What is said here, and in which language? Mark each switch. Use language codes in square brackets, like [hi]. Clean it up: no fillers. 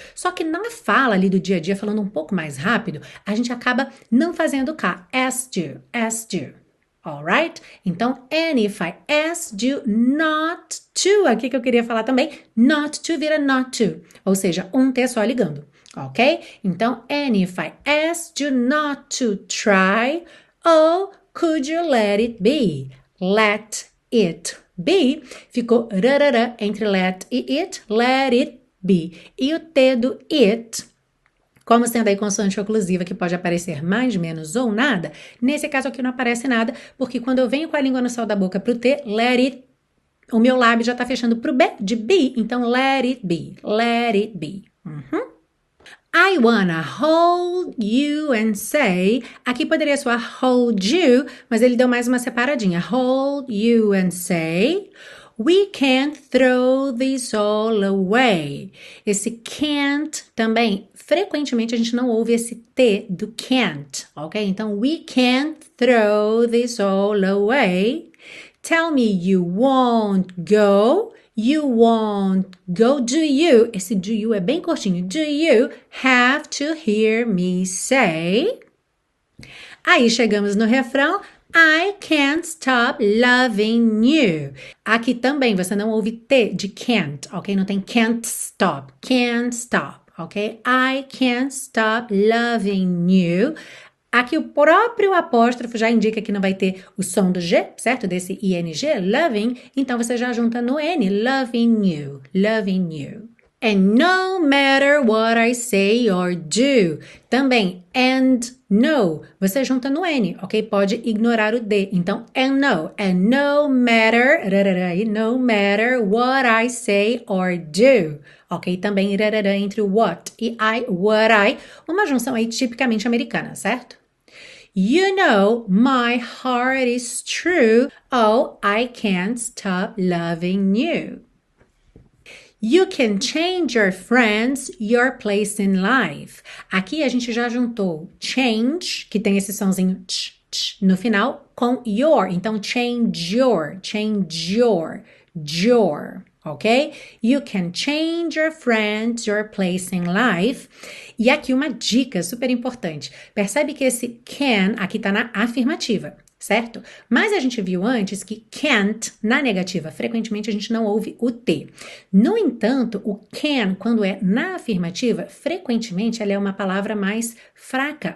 [pt] Só que na fala ali do dia a dia, falando um pouco mais rápido, a gente acaba não fazendo K. [en] Asked you. Asked you. Alright? [pt] Então, [en] and if I asked you not to, [pt] aqui que eu queria falar também, not to vira not to. Ou seja, um T só ligando. Ok? Então, [en] and if I asked you not to try, oh, could you let it be? Let it be. [pt] B ficou rarara entre let e it, let it be. E o T do it, como sendo aí consoante oclusiva que pode aparecer mais, menos ou nada, nesse caso aqui não aparece nada, porque quando eu venho com a língua no céu da boca pro T, let it, o meu lábio já tá fechando pro B de be, então [en] let it be, [pt] let it be. [en] Uhum. I wanna hold you and say, [pt] aqui poderia soar [en] hold you, [pt] mas ele deu mais uma separadinha, [en] hold you and say, we can't throw this all away. [pt] Esse can't também, frequentemente a gente não ouve esse T do can't, ok? Então, [en] we can't throw this all away, tell me you won't go. You won't go, do you? [pt] Esse do you é bem curtinho. [en] Do you have to hear me say? [pt] Aí chegamos no refrão. [en] I can't stop loving you. [pt] Aqui também você não ouve T de can't, ok? Não tem can't stop. [en] Can't stop, ok? I can't stop loving you. [pt] Aqui o próprio apóstrofo já indica que não vai ter o som do G, certo? Desse ING, loving. Então, você já junta no N, [en] loving you, loving you. And no matter what I say or do. [pt] Também, and no, você junta no N, ok? Pode ignorar o D. Então, [en] and no matter, rarara, no matter what I say or do. [pt] Ok, também, rarara, entre what e I, what I. Uma junção aí tipicamente americana, certo? [en] You know, my heart is true. Oh, I can't stop loving you. You can change your friends, your place in life. [pt] Aqui a gente já juntou change, que tem esse sonzinho tch, tch, no final, com your. Então, change your, your. Ok? [en] You can change your friends, your place in life. [pt] E aqui uma dica super importante. Percebe que esse can aqui tá na afirmativa, certo? Mas a gente viu antes que can't na negativa. Frequentemente a gente não ouve o T. No entanto, o can, quando é na afirmativa, frequentemente ela é uma palavra mais fraca.